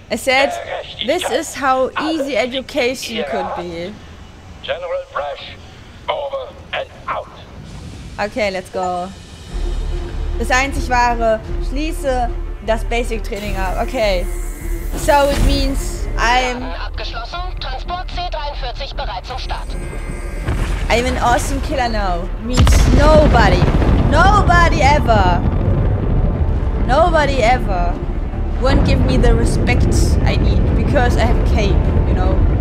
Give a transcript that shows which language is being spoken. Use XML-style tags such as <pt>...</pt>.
<en>Es said, this is how easy education could be. General Brush, over and out. Okay, let's go.</en> <de>Das einzig wahre, schließe das Basic Training ab.</de> <en>Okay. So it means I'm.</en> <de>Abgeschlossen. Transport C43 bereit zum Start.</de> <en>I'm an awesome killer now. Means nobody. Nobody ever. Nobody ever won't give me the respect I need because I have a cape, you know.</en>